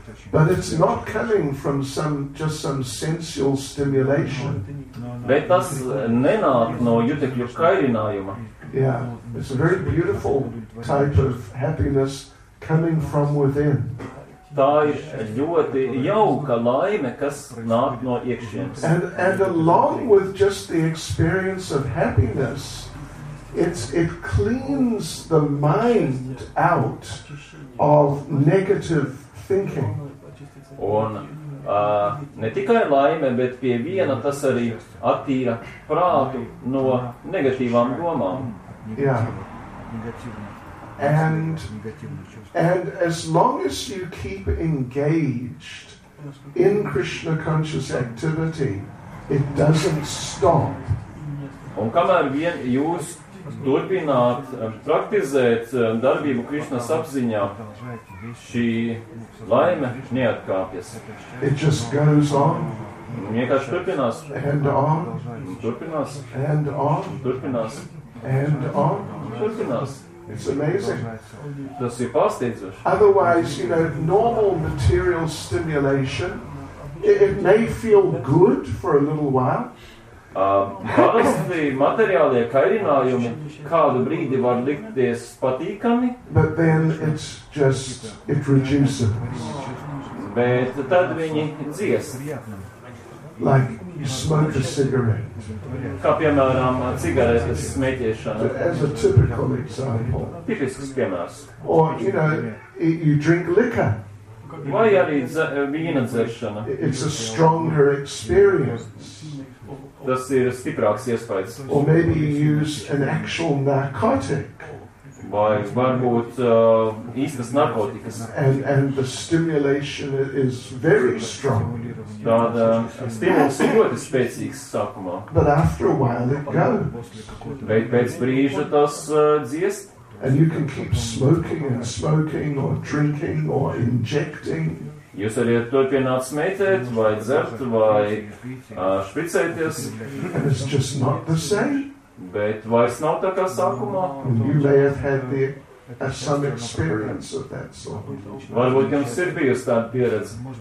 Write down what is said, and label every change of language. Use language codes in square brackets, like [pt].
[en] But it's not coming from just some sensual stimulation. [lv] Bet tas nenāk no jutekļu kairinājuma. [en] Yeah, it's a very beautiful type of happiness coming from within. [lv] Tā ir ļoti jauka laime, kas nāk no iekšienes. [en] And along with just the experience of happiness, it cleans the mind out of negative thinking. [lv] Un ne tikai laime, bet pie viena tas arī attīra prātu no negatīvām domām. [en] Yeah. And as long as you keep engaged in Krishna conscious activity, it doesn't stop. [lv] Un kamēr vien jūs turpināt praktizēt darbību Krišnas apziņā, šī laime neatkāpjas. [en] It just goes on. [lv] Vienkārši turpinās. [en] And on. [lv] Turpinās. [en] And on. [lv] Turpinās. [en] And on. [lv] Turpinās. [en] It's amazing. [lv] Tas ir pārsteidzoši. [en] Otherwise, you know, normal material stimulation, it may feel good for a little while. [lv] Parasti materiālie kairinājumi kādu brīdi var likties patīkami. [en] But then it's just, it reduces. [lv] Bet tad viņi dziest. [en] Like you smoke a cigarette. [lv] Kā piemēram cigaretes smēķēšana. [en] As a typical example. [lv] Tipisks piemērs. [en] Or, you know, you drink liquor. [lv] Vai arī vīna dzeršana. [en] It's a stronger experience. [lv] Tas ir stiprāks iespējas. [en] Or maybe you use an actual narcotic. [lv] Vai varbūt īstas narkotikas. [en] And the stimulation is very strong. [lv] Tāda stimuls ir ļoti spēcīgs sākumā. [en] But after a while it goes. [lv] Bet pēc brīža tas dziest. [en] And you can keep smoking and smoking or drinking or injecting. [lv] Jūs varat turpināt smēķēt, vai dzert, vai špricēties. [en] And it's just not the same. [lv] Bet vairs nav tā kā sākumā. [en] You may have had some experience of that sort. [lv] Varbūt jums ir bijusi tāda pieredze.